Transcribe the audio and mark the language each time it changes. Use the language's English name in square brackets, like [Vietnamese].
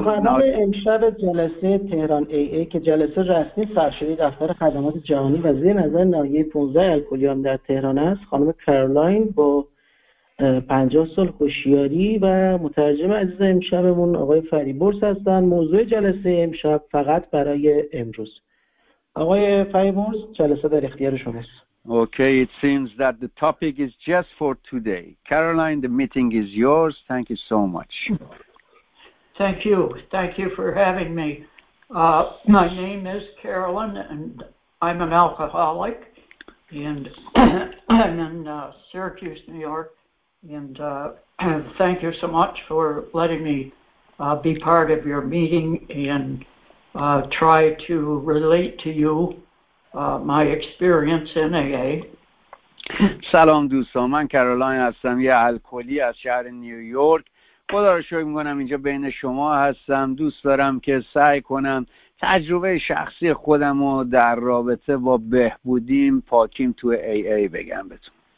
[Persian] سخنان امشب جلسه تهران ای ای که جلسه رسمی سرشاری دفتر خدمات جهانی و زیر نظر ناحیه 15 الکلیام در تهران است، خانم کارولاین با 50 سال هوشیاری و مترجم عزیز امشبمون آقای فریبرز هستند. موضوع جلسه امشب فقط برای امروز. آقای فریبرز، جلسه در اختیار شماست. [English] Okay, it seems that the topic is just for today. Caroline, the meeting is yours. Thank you so much. Thank you. Thank you for having me. My name is Carolyn, and I'm an alcoholic, and I'm in Syracuse, New York. And thank you so much for letting me be part of your meeting and try to relate to you my experience in AA. [Persian] سلام دوستان، من کارولاین هستم، یه الکلی از شهر نیویورک. خدا رو شکر می‌کنم اینجا بین شما هستم. دوست دارم که سعی کنم تجربه شخصی خودم رو در رابطه با بهبودیم پاکیم تو ای ای بگم بهتون.